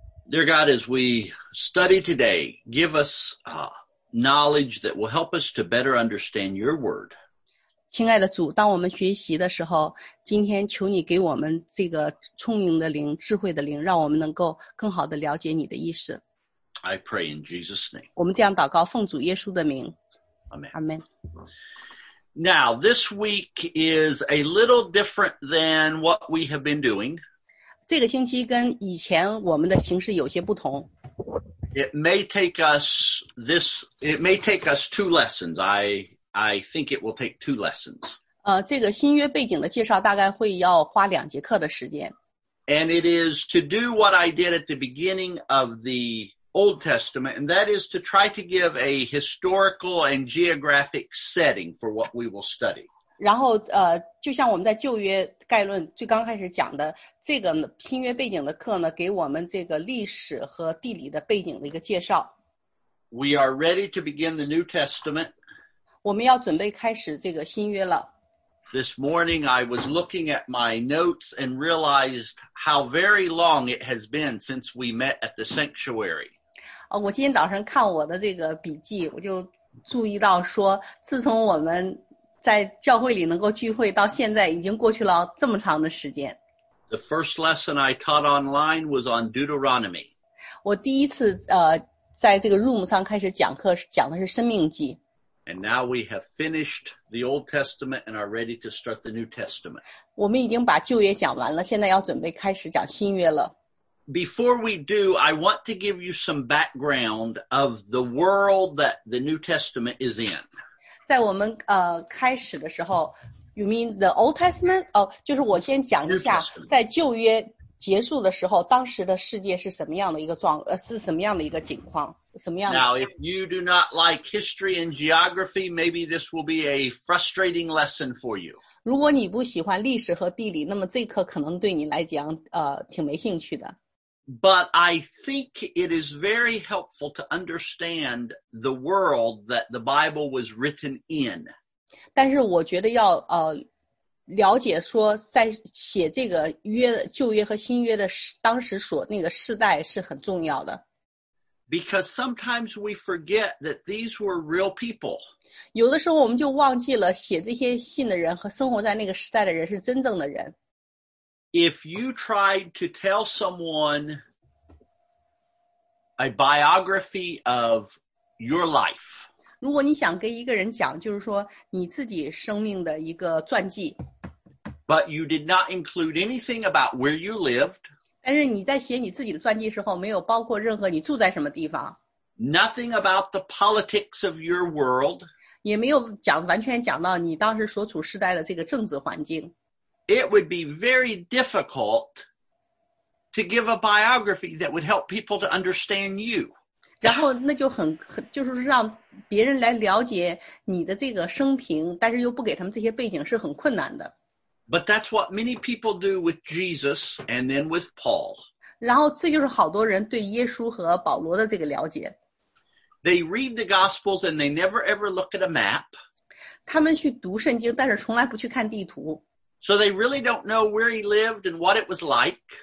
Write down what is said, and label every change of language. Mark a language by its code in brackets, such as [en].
[en] Dear God, as we study today, give us knowledge that will help us to better understand your word. [zh] 亲爱的主，当我们学习的时候，今天求你给我们这个聪明的灵，智慧的灵，让我们能够更好地了解你的意思。 [en] I pray in Jesus' name. [zh] 我们这样祷告，奉主耶稣的名。 [en] Amen. Amen. Now, this week is a little different than what we have been doing. [zh] 这个星期跟以前我们的形式有些不同。 [en] It may take us two lessons. I think it will take two lessons. [zh] 这个新约背景的介绍大概会要花两节课的时间。 [en] And it is to do what I did at the beginning of the Old Testament, and that is to try to give a historical and geographic setting for what we will study. [zh] 然后就像我们在旧约概论最刚开始讲的，这个新约背景的课呢，给我们这个历史和地理的背景的一个介绍。 [en] We are ready to begin the New Testament. [zh] 我们要准备开始这个新约了。 [en] This morning I was looking at my notes and realized how very long it has been since we met at the sanctuary. [zh] 我今天早上看我的这个笔记，我就注意到说，自从我们在教会里能够聚会到现在，已经过去了这么长的时间。 [en] The first lesson I taught online was on Deuteronomy. [zh] 我第一次在这个 room 上开始讲课，讲的是《申命记》。 [en] And now we have finished the Old Testament and are ready to start the New Testament. [zh] 我们已经把旧约讲完了，现在要准备开始讲新约了。 [en] Before we do, I want to give you some background of the world that the New Testament is in. [zh] 在我们开始的时候 [en] ，You mean the Old Testament? [zh] 哦，就是我先讲一下，在旧约结束的时候，当时的世界是什么样的一个状，是什么样的一个情况。 [en] Now, if you do not like history and geography, maybe this will be a frustrating lesson for you. [zh] 如果你不喜欢历史和地理，那么这课可能对你来讲，挺没兴趣的。 [en] But I think it is very helpful to understand the world that the Bible was written in. [zh] 但是我觉得要了解说在写这个约旧约和新约的当时所那个时代是很重要的。 [en] Because sometimes we forget that these were real people. [zh] 有的时候我们就忘记了写这些信的人和生活在那个时代的人是真正的人。 [en] If you tried to tell someone a biography of your life, [zh] 如果你想跟一个人讲，就是说你自己生命的一个传记。 [en] But you did not include anything about where you lived. [zh] 但是你在写你自己的传记时候，没有包括任何你住在什么地方。 [en] Nothing about the politics of your world. [zh] 也没有讲完全讲到你当时所处时代的这个政治环境。 [en] It would be very difficult to give a biography that would help people to understand you. [zh] 然后那就很就是让别人来了解你的这个生平，但是又不给他们这些背景是很困难的。 [en] But that's what many people do with Jesus and then with Paul. [zh] 然后这就是好多人对耶稣和保罗的这个了解。 [en] They read the Gospels and they never ever look at a map. [zh] 他们去读圣经，但是从来不去看地图。 [en] So they really don't know where he lived and what it was like.